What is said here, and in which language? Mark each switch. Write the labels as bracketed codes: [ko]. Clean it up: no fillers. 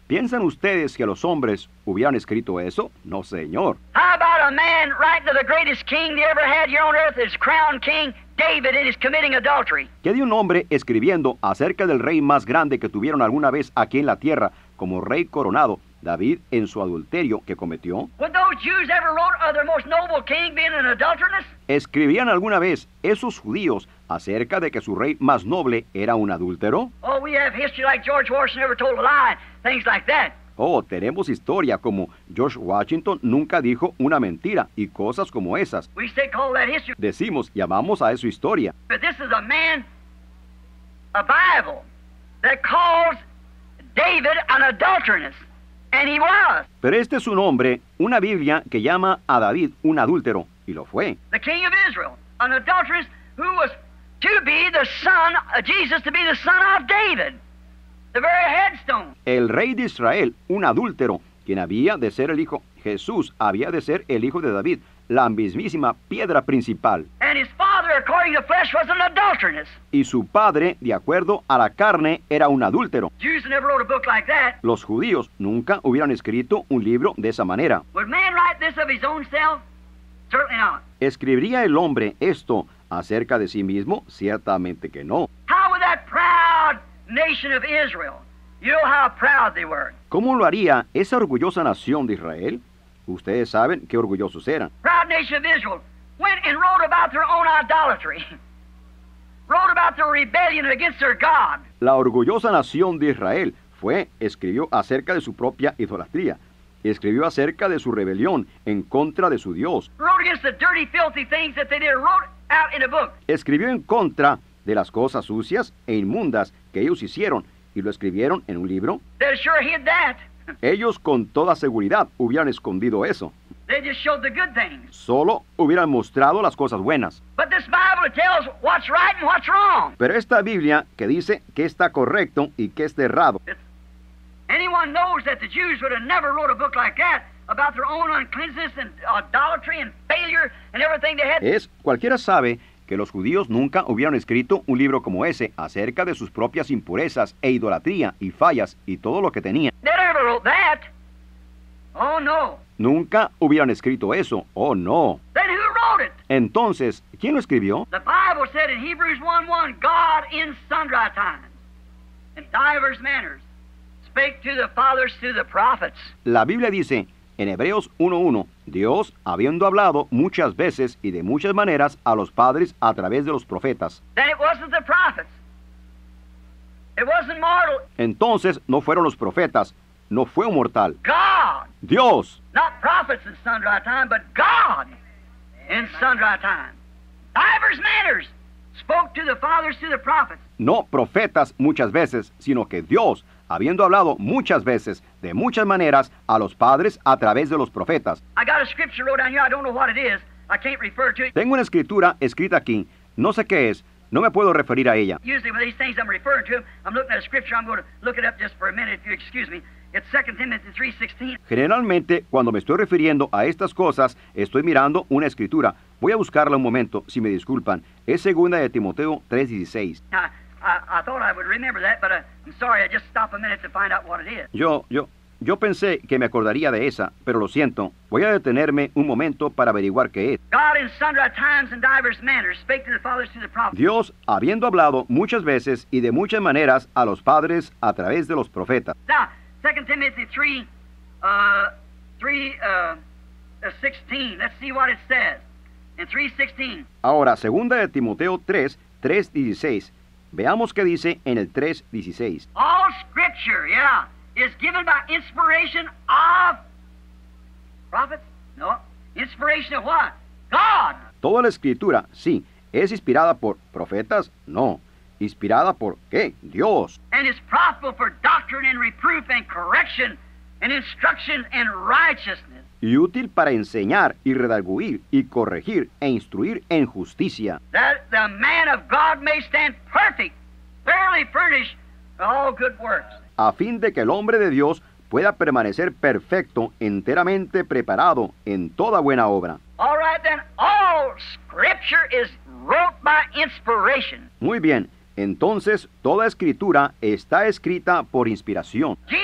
[es] ¿Piensan ustedes que los hombres hubieran escrito eso? No, señor. [en] How about a man writing to the greatest king they ever had here on earth, his crown king, David, and is committing adultery? [es] ¿Qué de un hombre escribiendo acerca del rey más grande que tuvieron alguna vez aquí en la tierra, como rey coronado, David, en su adulterio que cometió? [en] Would those Jews ever wrote of their most noble king being an adulteress? [es] ¿Escribían alguna vez esos judíos acerca de que su rey más noble era un adúltero? [en] Oh, we have history like George Washington never told a lie, things like that. [es] Oh, tenemos historia como George Washington nunca dijo una mentira y cosas como esas. [en] We say call that history. [es] Decimos, llamamos a eso historia. [en] But this is a man, a Bible, that calls David an adulteress. And he was. [es] Pero este es un hombre, una Biblia que llama a David un adúltero, y lo fue. [en] The king of Israel, an adulteress who was to be the son, Jesus to be the son of David, the very headstone. [es] El rey de Israel, un adúltero, quien había de ser el hijo, Jesús había de ser el hijo de David, la mismísima piedra principal. [en] And his father, according to flesh, was an adulteress. [es] Y su padre, de acuerdo a la carne, era un adúltero. [en] Jews never wrote a book like that. [es] Los judíos nunca hubieran escrito un libro de esa manera. [en] Would man write this of his own self? Certainly not. [es] ¿Escribiría el hombre esto acerca de sí mismo? Ciertamente que no. [en] How would that proud nation of Israel? You know how proud they were. [es] ¿Cómo lo haría esa orgullosa nación de Israel? Ustedes saben qué orgullosos eran. [en] Proud nation of Israel went and wrote about their own idolatry. Wrote about their rebellion against their God. [es] La orgullosa nación de Israel fue, escribió acerca de su propia idolatría. Escribió acerca de su rebelión en contra de su Dios. [en] Wrote against the dirty, filthy things that they did, wrote out in a book. [es] Escribió en contra de las cosas sucias e inmundas que ellos hicieron y lo escribieron en un libro. [en] They sure hid that. [es] Ellos con toda seguridad hubieran escondido eso. [en] They just showed the good things. [es] Solo hubieran mostrado las cosas buenas. [en] But this Bible tells what's right and what's wrong. [es] Pero esta Biblia que dice que está correcto y que está errado. [en] Anyone knows that the Jews would have never wrote a book like that about their own uncleanness and idolatry and failure and everything they had. [es] Es cualquiera sabe que los judíos nunca hubieran escrito un libro como ese acerca de sus propias impurezas e idolatría y fallas y todo lo que tenían. [en] They never wrote that. Oh, no. [es] Nunca hubieran escrito eso. Oh, no. [en] Then who wrote it? [es] Entonces, ¿quién lo escribió? [en] The Bible said in Hebrews 1:1, God in sundry times, in divers manners, spake to the fathers through the prophets. [es] La Biblia dice En Hebreos 1:1, Dios, habiendo hablado muchas veces y de muchas maneras a los padres a través de los profetas. [en] Then it wasn't the prophets. It wasn't mortal. [es] Entonces no fueron los profetas, no fue un mortal. [en] God. [es] Dios. [en] Not prophets in sundry time, but God in sundry time. Divers manners spoke to the fathers through the prophets. [es] No profetas muchas veces, sino que Dios, habiendo hablado muchas veces, de muchas maneras, a los padres a través de los profetas. [en] I got a scripture wrote down here, I don't know what it is, I can't refer to it. [es] Tengo una escritura escrita aquí, no sé qué es, no me puedo referir a ella. [en] Usually with these things I'm referring to, I'm looking at a scripture, I'm going to look it up just for a minute, if you excuse me. It's 2 Timothy 3:16. [es] Generalmente, cuando me estoy refiriendo a estas cosas, estoy mirando una escritura. Voy a buscarla un momento, si me disculpan. Es 2 de Timoteo 3:16. [en] I thought I would remember that, but I'm sorry, I just stopped a minute to find out what it is. [es] Yo pensé que me acordaría de esa, pero lo siento. Voy a detenerme un momento para averiguar qué es. [en] God in sundry times and diverse manners spake to the fathers through the prophets. [es] Dios, habiendo hablado muchas veces y de muchas maneras a los padres a través de los profetas. [en] Now, 2 Timothy 3:16. Let's see what it says. In 3:16. [es] Ahora, 2 Timoteo 3:16. Veamos qué dice en el 3:16. [en] All scripture, yeah, is given by inspiration of prophets? No. Inspiration of what? God. [es] Toda la escritura, sí, es inspirada por profetas? No. ¿Inspirada por qué? Dios. [en] And is profitable for doctrine and reproof and correction and instruction and righteousness. [es] Y útil para enseñar y redarguir y corregir e instruir en justicia. [en] That the man of God may stand perfect, thoroughly furnished with all good works. [es] A fin de que el hombre de Dios pueda permanecer perfecto, enteramente preparado en toda buena obra. [en] All right then, all scripture is wrote by inspiration. [es] Muy bien. Entonces, toda escritura está escrita por inspiración.